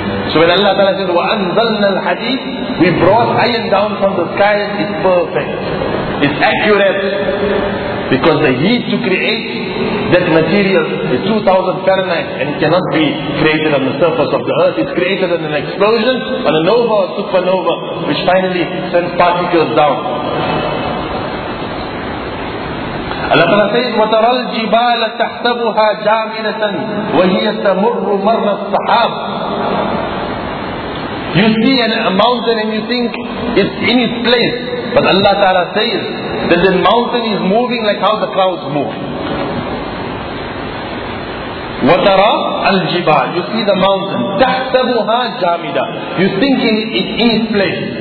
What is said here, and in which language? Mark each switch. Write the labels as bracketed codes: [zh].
[en] So when Allah Ta'ala says, [ar] وَأَنْزَلْنَا الْحَدِيدِ, [en] we brought iron down from the sky, it's perfect. It's accurate. Because the heat to create that material is 2,000 Fahrenheit and it cannot be created on the surface of the earth. It's created in an explosion, on a nova or supernova, which finally sends particles down. [ar] Allah Ta'ala says, وَتَرَى الْجِبَالَ تَحْسَبُهَا جَامِنَةً وَهِيَ تَمُرُّ مَرَّ الصَّحَابِ. [en] You see a mountain and you think it's in its place. But Allah Ta'ala says that the mountain is moving like how the clouds move. [ar] وَتَرَى الْجِبَالِ, [en] you see the mountain. [ar] تَحْسَبُهَا جَامِدًا, [en] you think it's in its place.